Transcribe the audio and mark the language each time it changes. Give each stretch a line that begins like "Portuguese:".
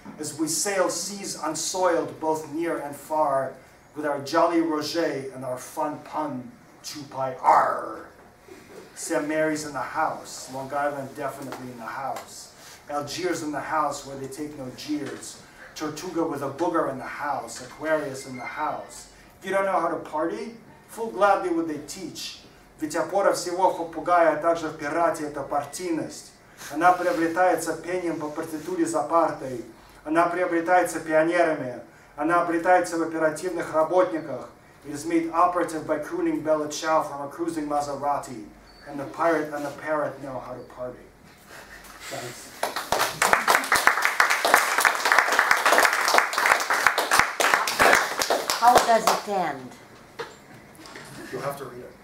English: As we sail seas unsoiled, both near and far, with our jolly Roger and our fun pun, 2πr. St. Mary's in the house, Long Island definitely in the house. Algiers in the house where they take no jeers. Tortuga with a booger in the house, Aquarius in the house. If you don't know how to party, full gladly would they teach.
Russian: Ведь опора всего попугая, также в пирате, это партийность. Она приобретается пением по партитуре за партой. Она приобретается пионерами. Она обретается в оперативных работниках.
English: It is made operative by crooning Bella Chow from a cruising Maserati. And the pirate and the parrot know how to party. Thanks. How does it end? You'll have to read it.